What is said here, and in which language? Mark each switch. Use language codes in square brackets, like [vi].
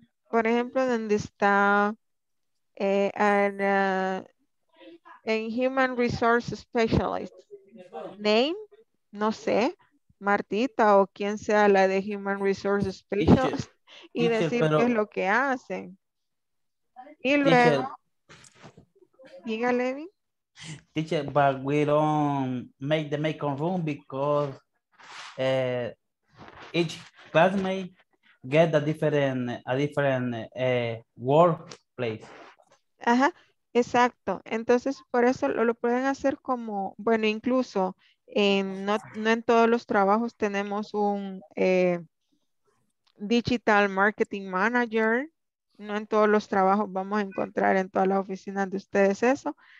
[es] Por ejemplo, donde está en Human Resources Specialist. Name, no sé, Martita o quien sea la de Human Resources Specialist. Dice, y decir pero, qué es lo que hacen. Y luego, diga Levi. [en] Dice, but we don't make the make-on room because each classmate get a different workplace. [es] Ajá, exacto. Entonces, por eso lo pueden hacer como, bueno, incluso no en todos los trabajos tenemos un digital marketing manager. No en todos los trabajos vamos a encontrar en todas las oficinas de ustedes eso.